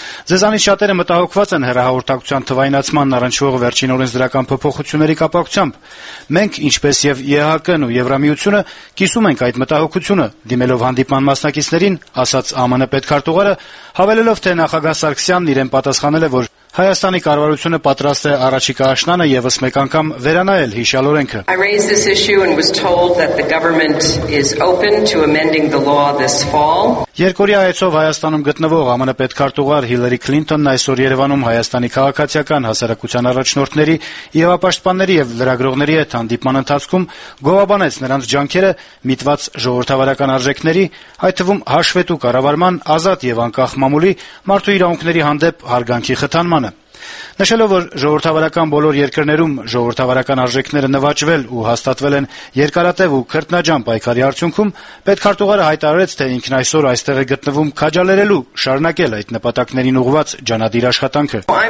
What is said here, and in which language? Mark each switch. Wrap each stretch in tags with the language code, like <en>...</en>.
<hy>Ձեզանից շատերը մտահոգված են հերահաղորդակցության թվայնացման առնչվող վերջին օրենսդրական փոփոխությունների կապակցությամբ։ Մենք, ինչպես և ԵՀԿ-ն ու Եվրամիությունը, կիսում ենք այդ մտահոգությունը, դիմելով հանդիպման մասնակիցներին, ասաց ԱՄՆ պետքարտուղարը, հավելելով, թե նախագահ Սարգսյանն իրեն պատասխանել է, որ Հայաստանի կառավարությունը պատրաստ է առաջիկա աշնանը ևս մեկ անգամ վերանայել հիշյալ օրենքը։</hy> <en>I raised this issue and was told that the government is open to amending the law this fall.</en> <hy>Երկորդի այցով Հայաստանում գտնվող ԱՄՆ պետքարտուղար Հիլարի Քլինթոնն այսօր Երևանում Հայաստանի քաղաքացիական հասարակության առաջնորդների, իրավապաշտպանների և լրագրողների հետ հանդիպման ընթացքում գովաբանեց նրանց ջանքերը միտված ժողովրդավարական արժեքների, այդ թվում հաշվետու կառավարման, ազատ և անկախ մամուլի, մարդու իրավունքների հանդեպ հարգանքի խթանման։ Նշելով, որ ժողովրդավարական բոլոր երկրներում ժողովրդավարական արժեքները նվաճվել ու հաստատվել են երկարատև ու քրտնաջան պայքարի արդյունքում, պետքարտուղարը հայտարարեց, թե ինքն այսօր այստեղ է գտնվում քաջալերելու շարունակել այդ նպատակներին ուղված ջանադիր աշխատանքը։</hy>